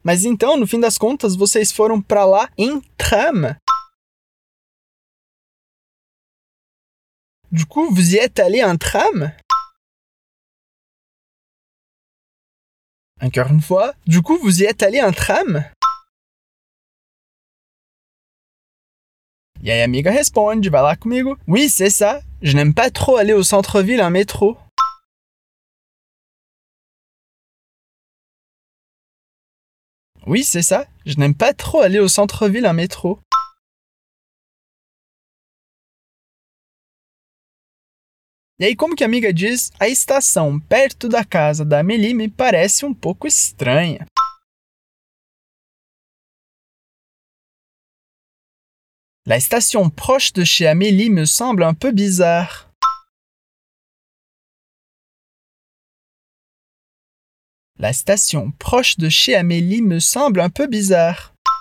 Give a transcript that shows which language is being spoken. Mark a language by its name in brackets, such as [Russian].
[Portuguese] Mas então, no fim das contas, vocês foram pra lá em tram? [French] Du coup, vous y êtes allés en tram? Encore une fois, du coup, vous y êtes allé en tram? [Portuguese] E aí, amiga responde, vai lá comigo. [French] Oui, c'est ça. Je n'aime pas trop aller au centre-ville en métro. Oui, c'est ça. Je n'aime pas trop aller au centre-ville en métro. [Portuguese] E aí, como que a amiga diz, a estação perto da casa da Amélie me parece um pouco estranha. [French] La station proche de chez Amélie me semble un peu bizarre. La station proche de chez Amélie me semble un peu bizarre.